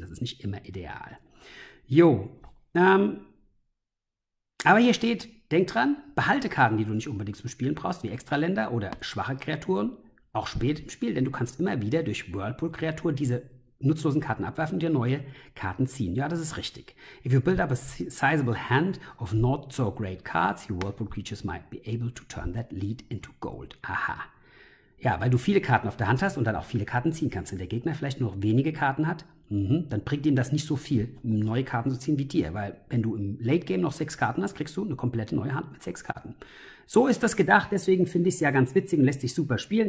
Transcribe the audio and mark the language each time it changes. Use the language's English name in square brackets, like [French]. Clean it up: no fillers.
[German] Das ist nicht immer ideal. Jo. Aber hier steht, denk dran, behalte Karten, die du nicht unbedingt zum Spielen brauchst, wie Extraländer oder schwache Kreaturen. Auch spät im Spiel, denn du kannst immer wieder durch Whirlpool-Kreatur diese nutzlosen Karten abwerfen und dir neue Karten ziehen. Ja, das ist richtig. [English] If you build up a sizable hand of not so great cards, your Whirlpool creatures might be able to turn that lead into gold. [German] Aha. Ja, weil du viele Karten auf der Hand hast und dann auch viele Karten ziehen kannst und der Gegner vielleicht nur noch wenige Karten hat, dann bringt ihm das nicht so viel, neue Karten zu ziehen wie dir. Weil wenn du im Late Game noch sechs Karten hast, kriegst du eine komplette neue Hand mit sechs Karten. So ist das gedacht, deswegen finde ich es ja ganz witzig und lässt sich super spielen.